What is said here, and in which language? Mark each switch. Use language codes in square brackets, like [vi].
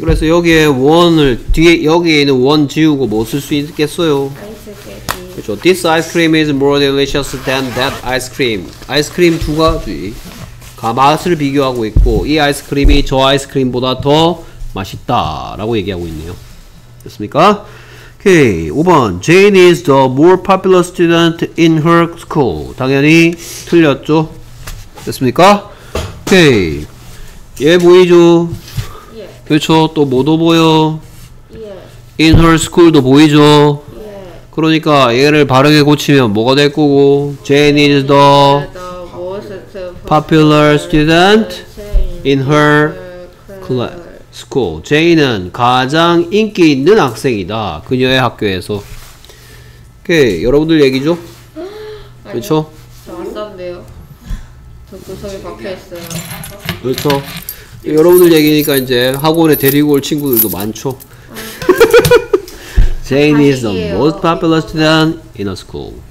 [ko] 그래서 여기에 원을 뒤에 여기에 있는 원 지우고 뭐 쓸 수 있겠어요? 그렇죠. [en] This ice cream is more delicious than that ice cream. [ko] 아이스크림 두 가지 맛을 비교하고 있고 이 아이스크림이 저 아이스크림보다 더 맛있다 라고 얘기하고 있네요. 됐습니까? 오케이. 5번 [en] Jane is the more popular student in her school. [ko] 당연히 틀렸죠? 됐습니까? 오케이. 예 보이죠? 그렇죠. 또 뭐도 보여? [en] Yeah. [ko] In her school도 보이죠? [en] Yeah. [ko] 그러니까 얘를 바르게 고치면 뭐가 될 거고? [en] Jane is the most popular student in her school. [ko] Jane은 가장 인기 있는 학생이다. 그녀의 학교에서. 오케이. 여러분들 얘기죠? 그렇죠? 저 왔었는데요. 저 구석에 박혀있어요. 그렇죠? 여러분들 얘기니까 이제 학원에 데리고 올 친구들도 많죠. [en] Jane is the most popular student in a school.